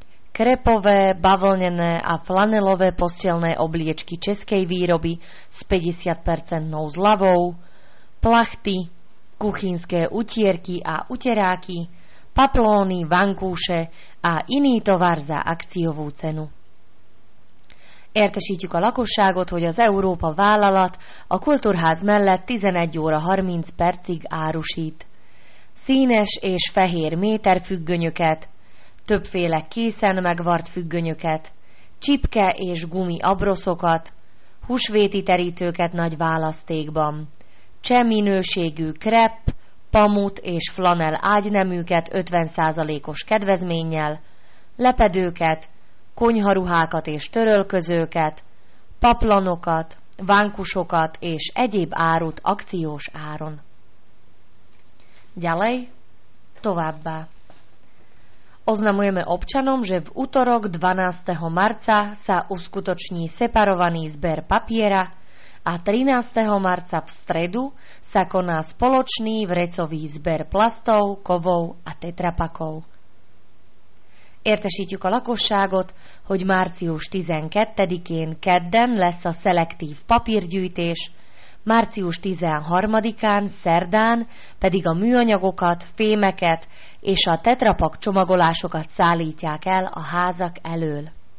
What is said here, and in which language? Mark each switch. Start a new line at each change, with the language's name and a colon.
Slovak: krepové, bavlnené a flanelové postelné obliečky českej výroby s 50% zľavou, plachty, kuchynské utierky a uteráky, paplóny, vankúše a iný tovar za akciovú cenu.
Hungarian: Értesítjük a lakosságot, hogy az Európa vállalat a Kultúrház mellett 11 óra 30 percig árusít. Színes és fehér méterfüggönyöket, többféle készen megvart függönyöket, csipke és gumi abroszokat, húsvéti terítőket nagy választékban, cseh minőségű krep, pamut és flanel ágyneműket 50%-os kedvezménnyel, lepedőket, konyharuhákat és törölközőket, paplanokat, vánkusokat és egyéb árut akciós áron.
Slovak: Ďalej,
Hungarian: továbbá.
Slovak: Oznamujeme občanom, že v útorok 12. marca sa uskutoční separovaný zber papiera a 13. marca v stredu sa koná spoločný vrecový zber plastov, kovov a tetrapakov.
Hungarian: Értesítjük a lakosságot, hogy március 12-én kedden lesz a szelektív papírgyűjtés, március 13-án szerdán pedig a műanyagokat, fémeket és a tetrapak csomagolásokat szállítják el a házak elől.